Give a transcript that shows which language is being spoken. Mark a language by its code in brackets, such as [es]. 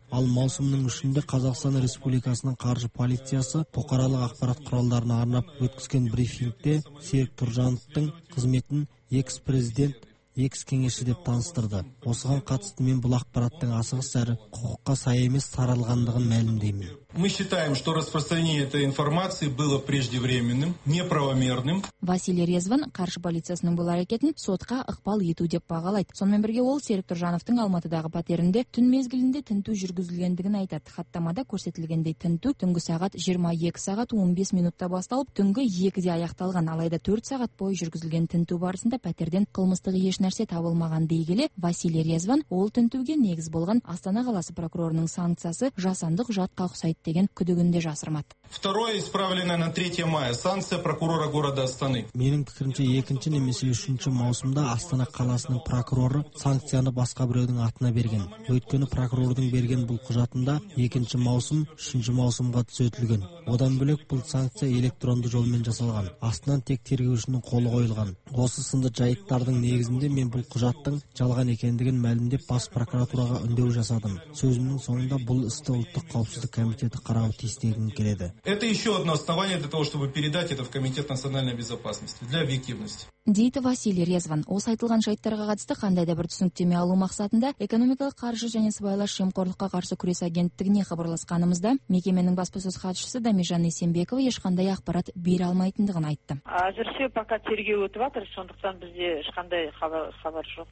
[kk] Ал маусымның 3-сінде Қазақстан Республикасының қаржы полициясы бұқаралық ақпарат құралдарына арнап өткізген брифингте Серік Тұржановтың қызметін экс-президент екс кеңесші деп таныстырды. Осыған қатысты мен бұл ақпараттың асығыс әрі құқыққа сай емес таралғандығын мәлімдеймін. [ru] Мы считаем, что распространение этой информации было преждевременным, неправомерным. [kk] Василий Резван, каршы полициясының бұл әрекетін сотқа ықпал ету деп бағалайды. Сонымен бірге ол Серік Тұржановтың Алматыдағы пәтерінде түн мезгілінде тінту жүргізілгендігін айтады. Хаттамада көрсетілгендей тінту түнгі сағат 22 сағат 15 минутта басталып, түнгі 2-де аяқталған. Алайда 4 сағат бойы жүргізілген тінту барысында пәтерден қылмыстық еш нәрсе табылмаған дей келе, Василий Резван ол тінтуге негіз болған Астана қаласы прокурорының санкциясы жасандық жатқа ұқсайды деген күдігінде жасырмады. [ru] Второе исправленное на 3 мая санкция прокурора города Астаны. [kk] Менің пікірімше 2-ші немесе 3-ші маусымда Астана қаласының прокуроры санкцияны басқа біреудің атына берген. Өйткені прокурордың берген бұл құжатында 2-ші маусым 3-ші маусымға түзетілген. Одан бөлек бұл санкция электронды жолмен жасалған. Астана тек тергеушінің қолы қойылған. Осы сынды жайттардың негізінде мен бұл құжаттың жалған екендігін мәлімдеп бас прокуратураға үндеу жасадым. Сөзімнің соңында бұл істі ұлттық қауіпсіздік комитеті қарауы тиіс деген келеді. [ru] Это еще одно основание для того, чтобы передать это в Комитет национальной безопасности для объективности. [kk] Дейді Василий Резван. Осы айтылған жайттарға қатысты қандай да бір түсініктеме алу мақсатында экономикалық қаржы және сыбайлас жемқорлыққа қарсы күрес агенттігіне хабарласқанымызда мекеменің баспасөз хатшысы Дамижан Есенбеков ешқандай ақпарат бере алмайтындығын айтты. Әзірше пока тергеу өтіп жатыр, сондықтан бізде ешқандай хабар жоқ.